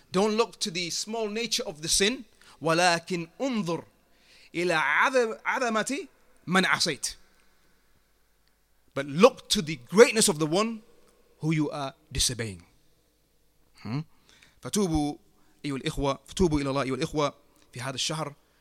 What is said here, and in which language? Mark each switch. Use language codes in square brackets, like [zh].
[en] Don't look to the small nature of the sin, [ar] ولكن انظر إلى عظمة من عصيت. [en] But look to the greatness of the one who you are disobeying. [ar] فتوبوا أيها الإخوة, فتوبوا إلى الله أيها الإخوة في هذا الشهر.